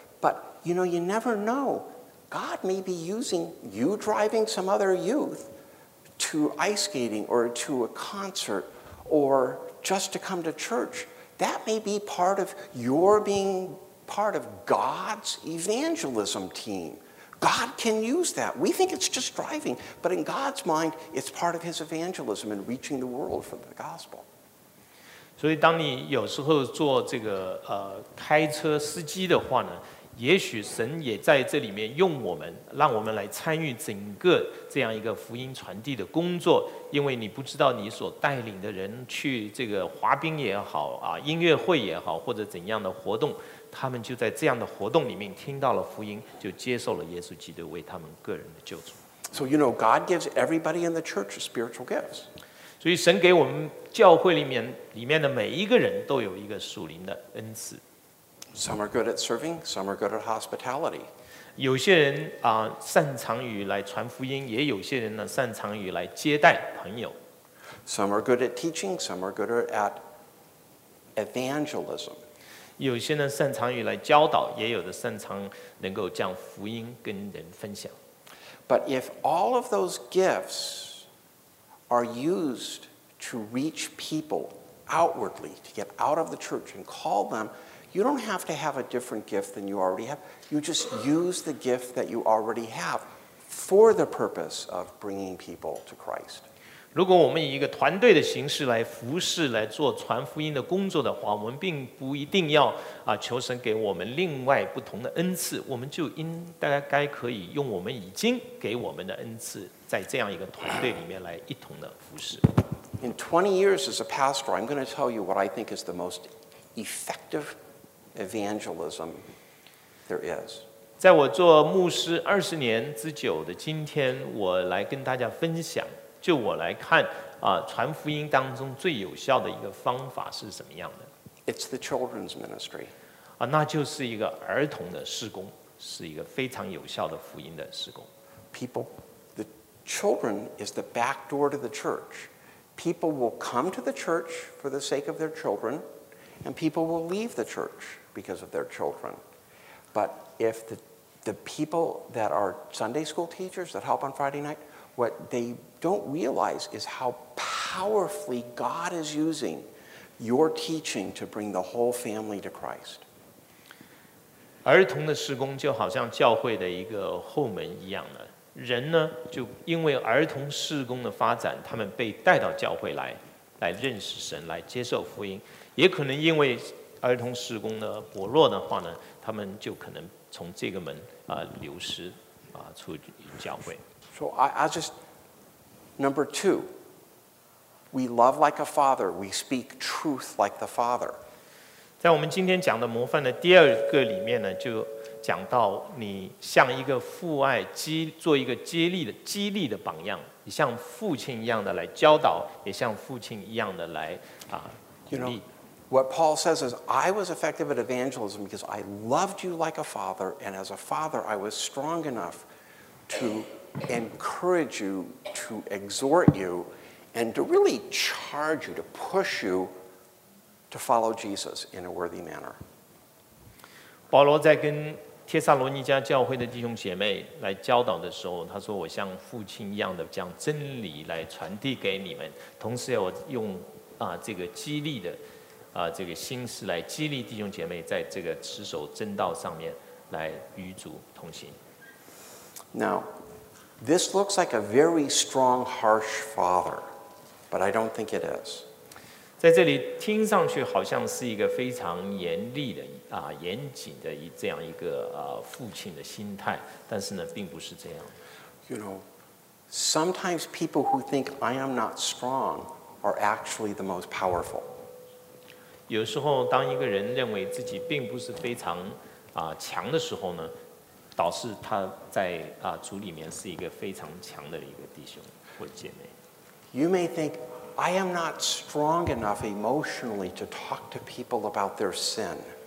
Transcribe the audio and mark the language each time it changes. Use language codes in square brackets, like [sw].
[en] But, you know, you never know. God may be using you driving some other youth to ice skating or to a concert or just to come to church. That may be part of your being part of God's evangelism team. God can use that. We think it's just driving, but in God's mind, it's part of his evangelism in reaching the world for the gospel. [zh] 所以当你有时候做这个开车司机的话呢，也许神也在这里面用我们，让我们来参与整个这样一个福音传递的工作，因为你不知道你所带领的人去这个滑冰也好啊，音乐会也好，或者怎样的活动，他们就在这样的活动里面听到了福音，就接受了耶稣基督为他们个人的救主。 [en] So you know, God gives everybody in the church spiritual gifts. [zh] 所以神给我们教会里面的每一个人都有一个属灵的恩赐。 [en] Some are good at serving, some are good at hospitality. [zh] 有些人擅长于来传福音，也有些人呢擅长于来接待朋友。 [en] Some are good at teaching, some are good at evangelism. [zh] 有些人擅长于来教导，也有的擅长能够将福音跟人分享。 [en] But if all of those gifts are used to reach people outwardly, to get out of the church and call them,You don't have to have a different gift than you already have. You just use the gift that you already have for the purpose of bringing people to Christ. [zh] 如果我们以一个团队的形式来服侍，来做传福音的工作的话，我们并不一定要求神给我们另外不同的恩赐，我们就应该可以用我们已经给我们的恩赐，在这样一个团队里面来一同的服侍。 [en] In 20 years as a pastor, I'm going to tell you what I think is the most effective evangelism there is. [zh] 在我做牧师二十年之久的今天，我来跟大家分享，就我来看传福音当中最有效的一个方法是什么样的。 [en] It's the children's ministry. [zh] 那就是一个儿童的事工，是一个非常有效的福音的事工。 [en] People, the children is the back door to the church. People will come to the church for the sake of their children. And people will leave the church because of their children. But if the people that are Sunday school teachers that help on Friday night, what they don't realize is how powerfully God is using your teaching to bring the whole family to Christ. [zh] 儿童的事工就好像教会的一个后门一样的。人呢，就因为儿童事工的发展，他们被带到教会来，来认识神，来接受福音。也可能因为儿童事工的薄弱的话呢，他们就可能从这个门流失出教会。 [en] So I just number two, we love like a father, we speak truth like the father. [zh] 在我们今天讲的模范的第二个里面呢，就讲到你像一个父爱做一个激励的榜样，你像父亲一样的来教导，也像父亲一样的来鼓励。 [en] What Paul says is, I was effective at evangelism because I loved you like a father, and as a father, I was strong enough to encourage you, to exhort you, and to really charge you, to push you to follow Jesus in a worthy manner. [zh] 保罗在跟帖撒罗尼迦教会的弟兄姐妹来教导的时候，他说我像父亲一样的将真理来传递给你们，同时要用这个激励的这个心思来激励弟兄姐妹在这个持守正道上面来与主同行。 [en] Now, this looks like a very strong, harsh father, but I don't think it is. [zh] 在这里听上去好像是一个非常严厉的严谨的这样一个父亲的心态，但是呢，并不是这样。 [en] You know, sometimes people who think I am not strong are actually the most powerful. [zh] 有时候当一个人认为自己并不是非常强的时候呢，导致他在主里面是一个非常强的一个弟兄或姐妹。 [en] You may think, I am not strong enough emotionally to talk to people about their sin.